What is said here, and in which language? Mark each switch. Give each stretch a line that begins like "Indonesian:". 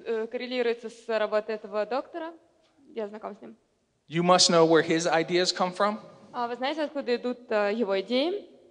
Russian: Коррелируется с работой этого доктора. Я знаком с ним.
English: You must know where his ideas come from?
Russian: Вы знаете, откуда идут его идеи?